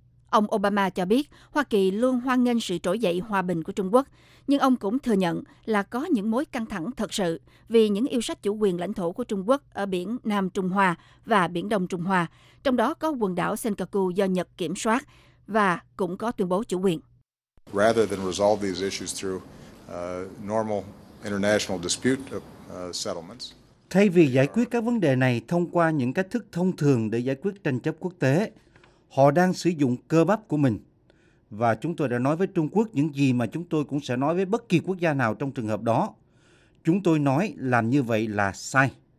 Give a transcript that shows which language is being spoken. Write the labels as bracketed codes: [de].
[vi] Ông Obama cho biết Hoa Kỳ luôn hoan nghênh sự trỗi dậy hòa bình của Trung Quốc, nhưng ông cũng thừa nhận là có những mối căng thẳng thật sự vì những yêu sách chủ quyền lãnh thổ của Trung Quốc ở biển Nam Trung Hoa và biển Đông Trung Hoa, trong đó có quần đảo Senkaku do Nhật kiểm soát và cũng có tuyên bố chủ quyền. [en] Rather than resolve these issues through normal international dispute settlements. [vi] Thay vì giải quyết các vấn đề này thông qua những cách thức thông thường để giải quyết tranh chấp quốc tế, họ đang sử dụng cơ bắp của mình. Và chúng tôi đã nói với Trung Quốc những gì mà chúng tôi cũng sẽ nói với bất kỳ quốc gia nào trong trường hợp đó. Chúng tôi nói làm như vậy là sai.